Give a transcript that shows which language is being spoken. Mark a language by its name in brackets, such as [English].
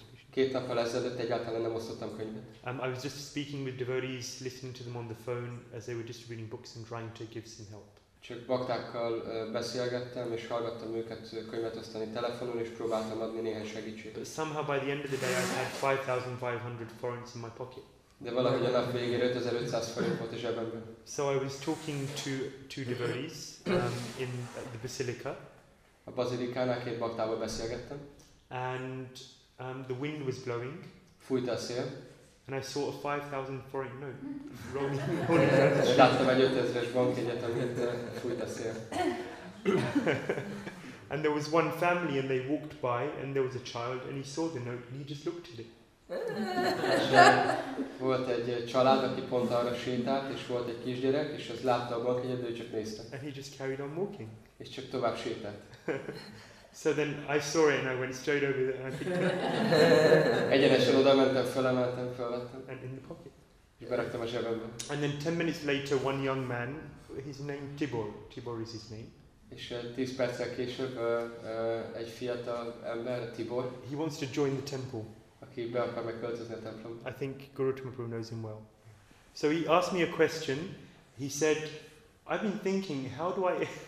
[Hungarian] Két nappal ezelőtt egyáltalán nem osztottam könyvet. [English] I was just speaking with devotees, listening to them on the phone as they were distributing books and trying to give some help. [Hungarian] Csak baktákkal beszélgettem és hallgattam őket könyvet osztani telefonon és próbáltam adni néhány segítséget. [English] But somehow by the end of the day I had 5,500 forints in my pocket. [Hungarian] De valahogy a nap végére 5,500 forint volt a zsebemben. [English] So I was talking to two devotees in the basilica. [Hungarian] A bazilikánál két baktával beszélgettem. [English] And the wind was blowing. [Hungarian] Fújt a szél. [English] And I saw a 5,000 forint note rolling. [Hungarian] Láttam egy 5,000-es bankjegyet, amit fújt a szél. [English] And there was one family and they walked by and there was a child and he saw the note and he just looked at it. [Hungarian] Volt egy család, aki pont arra sétált, és volt egy kisgyerek, és az látta a bankjegyet, de ő csak nézte. [English] And he just carried on walking. [Hungarian] És csak tovább sétált. [English] So then I saw it and I went straight over there and I picked it up. [Hungarian] Egyenesen oda mentem, felemeltem, felvettem. [English] And in the pocket. [Hungarian] És beraktam a zsebembe. [English] And then 10 minutes later one young man, his name Tibor is his name. [Hungarian] És 10 perccel később egy fiatal ember, Tibor. [English] He wants to join the temple. [Hungarian] Aki be akar megköltözni a templom. [English] I think Guru Tumapuru knows him well. So he asked me a question. He said, I've been thinking, how do I...